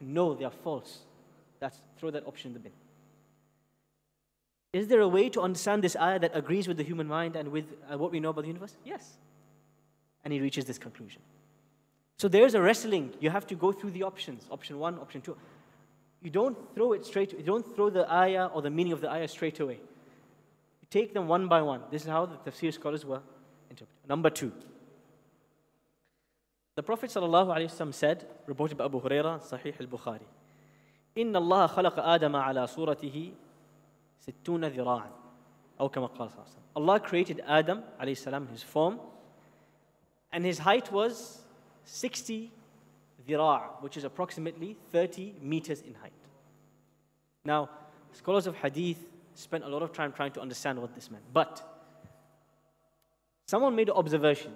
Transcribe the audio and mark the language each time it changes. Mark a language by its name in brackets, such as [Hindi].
[English] No, they are false. Throw that option in the bin. Is there a way to understand this ayah that agrees with the human mind and with what we know about the universe? Yes. And he reaches this conclusion. So there's a wrestling. You have to go through the options. Option one, option two. You don't throw it straight. You don't throw the ayah or the meaning of the ayah straight away. You take them one by one. This is how the tafsir scholars were interpreted. Number two. The Prophet ﷺ said, reported by Abu Huraira, Sahih al-Bukhari, [Arabic] إِنَّ اللَّهَ خَلَقَ آدَمَ عَلَى صُورَتِهِ سِتُّونَ ذِرَاعًا أو كما قال صلى الله عليه وسلم. [English] Allah created Adam عليه السلام in his form, and his height was 60 ذِرَاع, which is approximately 30 meters in height. Now, scholars of hadith spent a lot of time trying to understand what this meant, but someone made an observation.